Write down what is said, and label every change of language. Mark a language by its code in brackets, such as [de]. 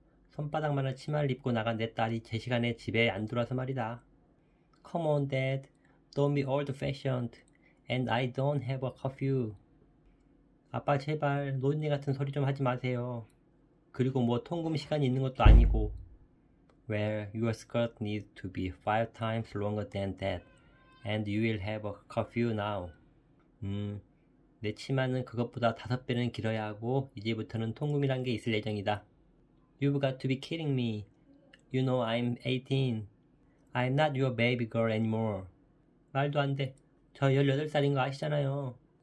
[ko] 손바닥만한 치마를 입고 나간 내 딸이 제 시간에 집에 안 들어와서 말이다. [en] Come on, Dad. Don't be old-fashioned. And I don't have a curfew. [ko] 아빠 제발 노인네 같은 소리 좀 하지 마세요. 그리고 뭐 통금 시간이 있는 것도 아니고. [en] Well, your skirt needs to be 5 times longer than that. And you will have a curfew now. [ko] 내 치마는 그것보다 5배는 길어야 하고 이제부터는 통금이란 게 있을 예정이다. [en] You've got to be kidding me. You know I'm 18. I'm not your baby girl anymore. 말도 안 돼. [ko] 저 18살인 거 아시잖아요.